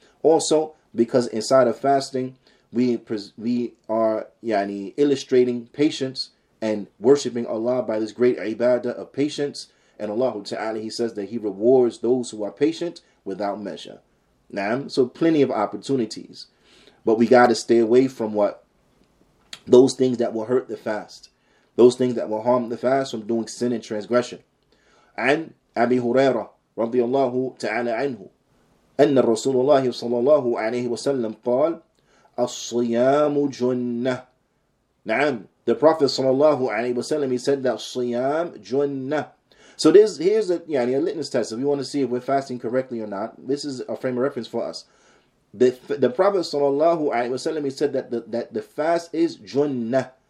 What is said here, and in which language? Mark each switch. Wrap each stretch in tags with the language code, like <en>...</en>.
<en>Also, because inside of fasting, we are yani, illustrating patience and worshipping Allah by this great ibadah of patience. And Allah ta'ala, He says that He rewards those who are patient without measure. Na'am? So plenty of opportunities. But we got to stay away from what? Those things that will hurt the fast. Those things that will harm the fast from doing sin and transgression.</en> <ar>عن أبي هريرة رضي الله تعالى عنه أن رسول الله صلى الله عليه وسلم قال As-siyamu junnah. Na'am.</ar> <en>The Prophet sallallahu alayhi wa sallam, he said that siyam junnah. So here's a litmus test. If you want to see if we're fasting correctly or not, this is a frame of reference for us. The Prophet sallallahu alayhi wa sallam, he said that the fast is junnah.</en>